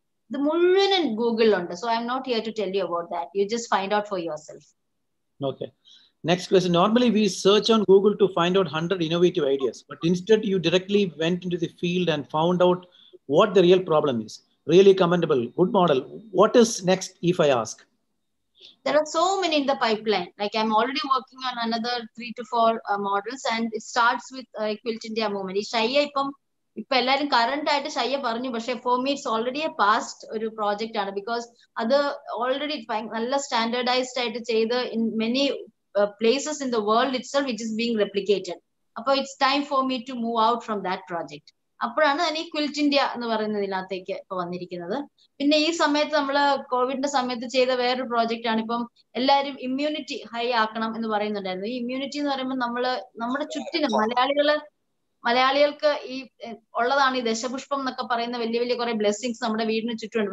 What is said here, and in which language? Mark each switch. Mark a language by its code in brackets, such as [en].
[ml] ഇത് മുഴുവനും ഗൂഗിളിലുണ്ട്. [en] So I'm not here to tell you about that. You just find out for yourself. Okay, next quest. Normally we search on Google to find out 100 innovative ideas, but instead you directly went into the field and found out what the real problem is. Really commendable, good model. What is next if I ask? There are so many in the pipeline. Like I'm already working on another 3 to 4 models, and it starts with Quilt India Movement. [ml] Shaiya ippo ellarum current aayittu Shaiya parnu, [en] but for me it's already a past [ml] oru project aanu, [en] because [ml] adu already nalla standardized aayittu cheythu [en] in many places in the world itself, which is being replicated. Appo it's time for me to move out from that project. [ml] അപ്പോഴാണ് അതിന് ഈ quilt India എന്ന് പറയുന്നതിനകത്തേക്ക് ഇപ്പൊ വന്നിരിക്കുന്നത്. പിന്നെ ഈ സമയത്ത് നമ്മള് കോവിഡിന്റെ സമയത്ത് ചെയ്ത വേറൊരു പ്രോജക്റ്റ് ആണ്. ഇപ്പം എല്ലാവരും ഇമ്മ്യൂണിറ്റി ഹൈ ആക്കണം എന്ന് പറയുന്നുണ്ടായിരുന്നു. ഈ ഇമ്മ്യൂണിറ്റി എന്ന് പറയുമ്പോൾ നമ്മുടെ ചുറ്റിനും മലയാളികൾക്ക് ഈ ഉള്ളതാണ് ഈ ദശപുഷ്പം എന്നൊക്കെ പറയുന്ന വലിയ വലിയ കുറെ ബ്ലെസ്സിങ്സ് നമ്മുടെ വീടിന് ചുറ്റുമുണ്ട്.